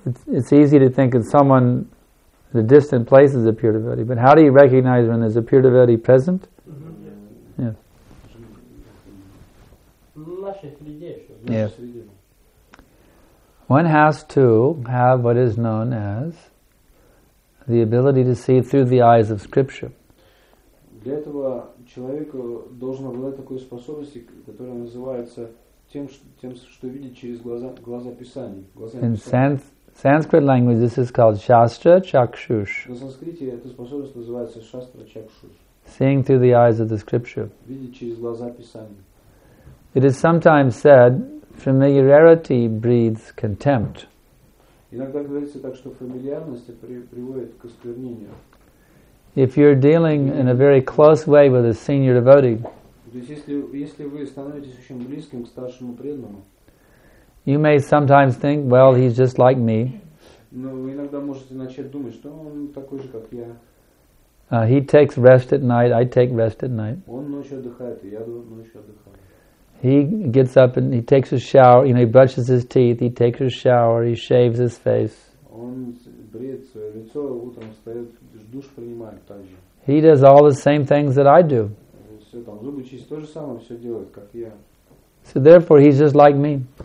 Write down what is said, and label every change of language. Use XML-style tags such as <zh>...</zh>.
<en>It's easy to think of someone, the distant place is a pure devotee, but how do you recognize when there's a pure devotee present? Mm-hmm. Yes. Yes. One has to have what is known as the ability to see through the eyes of Scripture.</en> <ru>Для этого человеку должно обладать такой способностью, которая называется тем, что видеть через глаза Писаний.</ru> <en>In Sanskrit language, this is called Shastra Chakshush.</en> <ru>На санскрите эта способность называется Shastra Chakshush.</ru> <en>Seeing through the eyes of the Scripture.</en> <ru>Видеть через глаза Писаний.</ru> <en>It is sometimes said, familiarity breeds contempt.</en> <ru>Иногда говорится так, что фамильярность приводит к осквернению.</ru> <en>If you're dealing in a very close way with a senior devotee,</en> <ru>то есть если вы становитесь очень близким к старшему преданному,</ru> <en>you may sometimes think, well, he's just like me.</en> <ru>Но вы иногда можете начать думать, что он такой же, как я.</ru> <en>He takes rest at night, I take rest at night.</en> <ru>Он ночью отдыхает, и я ночью отдыхаю.</ru> <en>He gets up and he takes a shower, you know, he brushes his teeth, he takes a shower, he shaves his face. He does all the same things that I do. So therefore he's just like me.</en>